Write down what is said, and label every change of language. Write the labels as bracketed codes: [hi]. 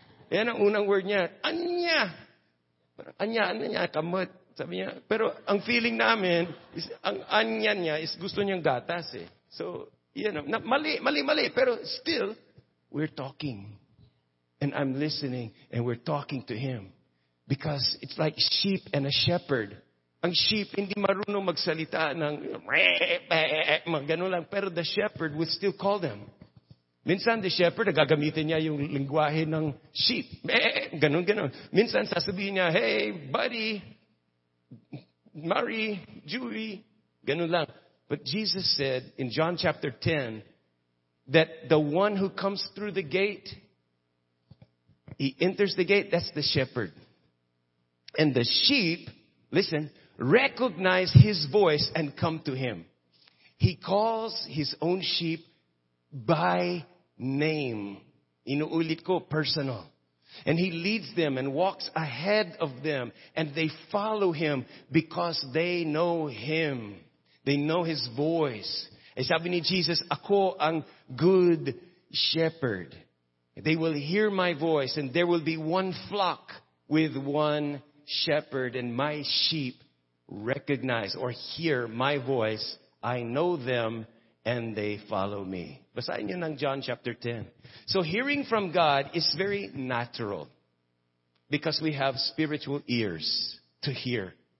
[tl] Yan ang unang word niya, anya. Anya, kamot. Sabi niya, pero ang feeling namin, is, ang anya niya is gusto niyang gatas eh. [en] So, [tl] mali, pero [en] still, we're talking. And I'm listening, and we're talking to Him. Because it's like sheep and a shepherd. [tl] Ang sheep, hindi marunong magsalita ng ganun lang. Pero [en] the shepherd would still call them. [tl] Minsan, [en] the shepherd, [tl] gagamitin niya yung lingwahe ng sheep. Ganun. Minsan, sasabihin niya, [en] hey, buddy, [tl] Mary, Julie, ganun lang. [en] But Jesus said in John chapter 10, that the one who comes through the gate, he enters the gate, that's the shepherd. And the sheep, listen, recognize His voice and come to Him. He calls His own sheep by name. [tl] Inuulit ko, personal. [en] And He leads them and walks ahead of them. And they follow Him because they know Him. They know His voice. [tl] Eh, sabi ni Jesus, ako ang [en] good shepherd. They will hear my voice and there will be one flock with one shepherd. And my sheep recognize or hear my voice. I know them and they follow me. [tl] Basahin niyo ng [en] John chapter 10. So hearing from God is very natural because we have spiritual ears to hear.